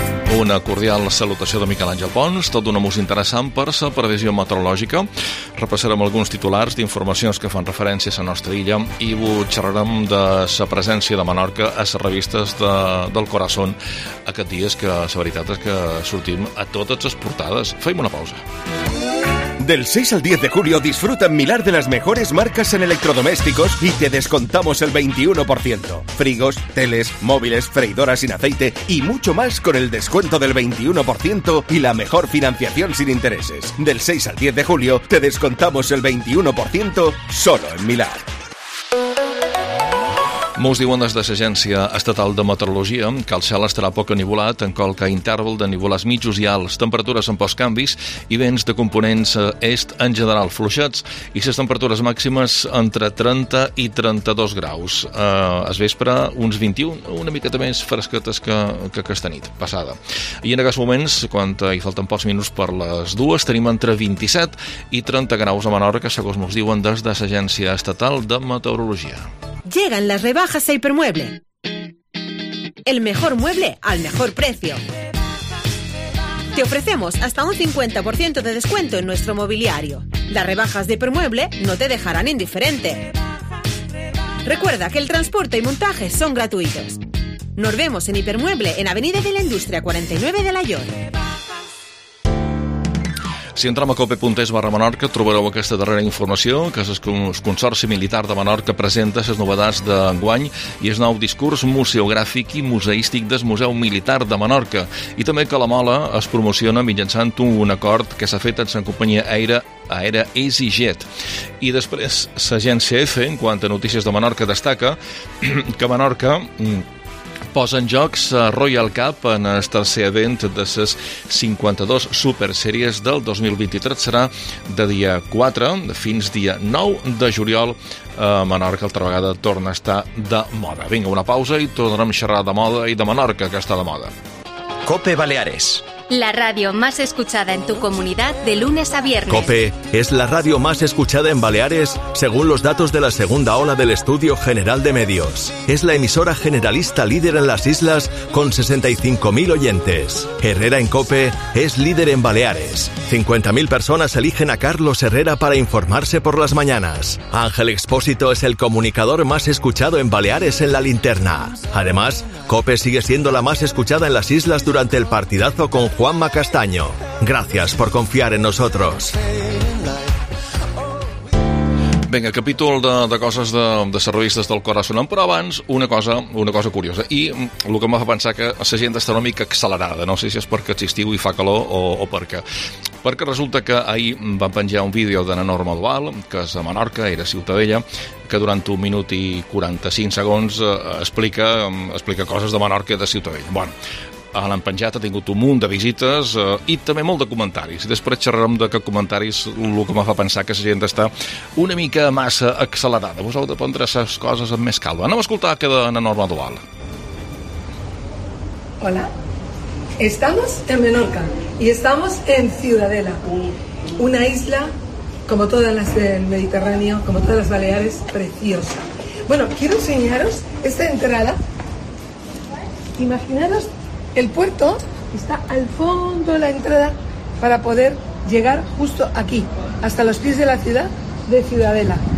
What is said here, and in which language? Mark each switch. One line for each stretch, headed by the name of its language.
Catalan: Una cordial salutació de Miquel Àngel Pons, tot d'una mos interessant per sa previsió meteorològica. Repassarem alguns titulars d'informacions que fan referència a sa nostra illa i xerrarem de sa presència de Menorca a sa revistes del Corazón aquest dies, que sa veritat és que sortim a totes les portades. Fem una pausa.
Spanish: Del 6 al 10 de julio disfruta en Milar de las mejores marcas en electrodomésticos y te descontamos el 21%. Frigos, teles, móviles, freidoras sin aceite y mucho más con el descuento del 21% y la mejor financiación sin intereses. Del 6 al 10 de julio te descontamos el 21% solo en Milar.
Catalan: Mos diuen des de l'Agència Estatal de Meteorologia que el cel estarà poc anivolat, en qualque interval de nivolats mitjos i alts, temperatures amb pocs canvis i vents de components est en general fluixats i les temperatures màximes entre 30 i 32 graus. Es vespre uns 21, una miqueta més fresquetes que aquesta nit passada. I en aquests moments, quan hi falten pocs minuts per les dues, tenim entre 27 i 30 graus a Menorca, segons mos diuen des de l'Agència Estatal de Meteorologia.
Spanish: Llegan las rebajas a Hipermueble. El mejor mueble al mejor precio. Te ofrecemos hasta un 50% de descuento en nuestro mobiliario. Las rebajas de Hipermueble no te dejarán indiferente. Recuerda que el transporte y montaje son gratuitos. Nos vemos en Hipermueble en Avenida de la Industria 49 de la Llor.
Catalan: Si entrem a cope.es/Menorca, trobareu aquesta darrera informació, que és el Consorci Militar de Menorca presenta les novetats d'enguany i el nou discurs museogràfic i museístic del Museu Militar de Menorca. I també que la Mola es promociona mitjançant un acord que s'ha fet amb la companyia Aera EasyJet. I després, l'agència EFE, en quant a notícies de Menorca, destaca que Menorca posa en joc la Royal Cup en el tercer event de les 52 supersèries del 2023. Serà de dia 4 fins dia 9 de juliol a Menorca. Altra vegada torna a estar de moda. Vinga, una pausa i tornarem a xerrar de moda i de Menorca, que està de moda.
Spanish: COPE Baleares. La radio más escuchada en tu comunidad de lunes a viernes. COPE es la radio más escuchada en Baleares según los datos de la segunda ola del Estudio General de Medios. Es la emisora generalista líder en las islas con 65.000 oyentes. Herrera en COPE es líder en Baleares. 50.000 personas eligen a Carlos Herrera para informarse por las mañanas. Ángel Expósito es el comunicador más escuchado en Baleares en La Linterna. Además, COPE sigue siendo la más escuchada en las islas durante el partidazo con Juanma Castaño. Gracias por confiar en nosotros.
Catalan: Vinga, capítol de coses de revistes del Corazón, però abans una cosa curiosa, i el que em fa pensar que la gent està una mica accelerada, no sé si és perquè existiu i fa calor o perquè. Perquè resulta que ahir van penjar un vídeo de la Norma Duval, que és a Menorca, era Ciutadella, que durant 1:45 explica coses de Menorca i de Ciutadella. Bueno, l'han penjat, ha tingut un munt de visites i també molt de comentaris. Després xerrarem de que comentaris, el que me fa pensar que la gent està una mica massa accelerada. Vos heu de prendre les coses amb més calma. Anem a escoltar que en la Norma Dual.
Spanish: Hola. Estamos en Menorca y estamos en Ciudadela, una isla, como todas las del Mediterráneo, como todas las Baleares, preciosa. Bueno, quiero enseñaros esta entrada. Imaginaros el puerto, está al fondo de la entrada para poder llegar justo aquí, hasta los pies de la ciudad de Ciudadela.